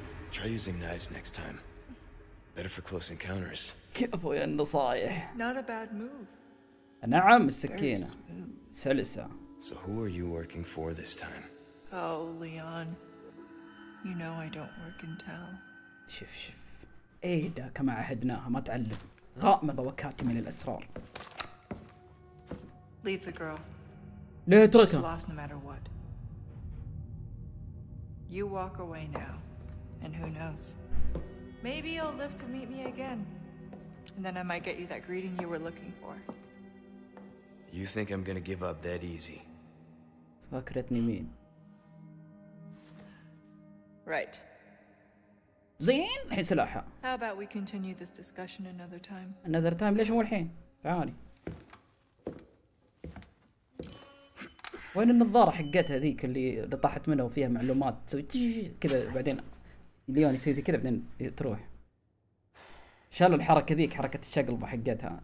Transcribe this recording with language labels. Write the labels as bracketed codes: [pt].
[en] Try using knives next time. Better for close encounters. [ar] كيف يا النصايح؟ [en] Not a bad move. [ar] نعم السكينة. سلسة. [en] So who are you working for this time? Oh, Leon. You know I don't work in town. [ar] شف شف. ايدا كما عهدناها ما تعلم. غامضة وكاتمة للأسرار. [en] Leave the girl. [ar] ليه تركها؟ [en] She's lost no matter what. You walk away now. And who knows? Maybe you'll live to meet me again. And then I might get you that greeting you were looking for. You think I'm gonna give up that easy? [ar] فكرتني مين؟ [en] Right. [ar] زين؟ الحين سلاحها. [en] How about we continue this discussion another time? Another time؟ [ar] ليش مو الحين؟ تعالي. وين النظارة حقتها ذيك اللي طاحت منها وفيها معلومات تسوي كذا بعدين ليون يصير زي كذا بعدين تروح. شالوا الحركة ذيك حركة الشقلبة حقتها